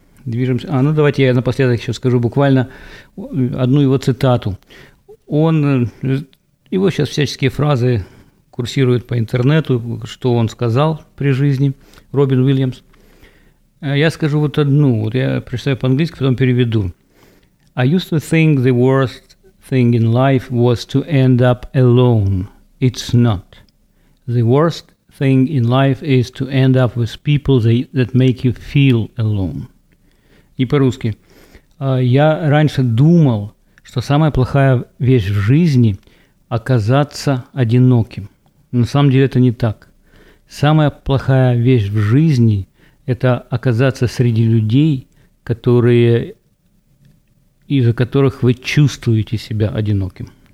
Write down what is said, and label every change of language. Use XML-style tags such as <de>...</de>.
<ru>Давайте я напоследок еще скажу буквально одну его цитату. Его сейчас всяческие фразы курсируют по интернету, что он сказал при жизни, Робин Уильямс. Я скажу вот одну, вот я прочитаю по-английски, потом переведу.</ru> <en>I used to think the worst thing in life was to end up alone. It's not. The worst thing in life is to end up with people that make you feel alone.</en> <ru>И по-русски. Я раньше думал, что самая плохая вещь в жизни – оказаться одиноким. На самом деле это не так. Самая плохая вещь в жизни – это оказаться среди людей, которые из-за которых вы чувствуете себя одиноким.</ru>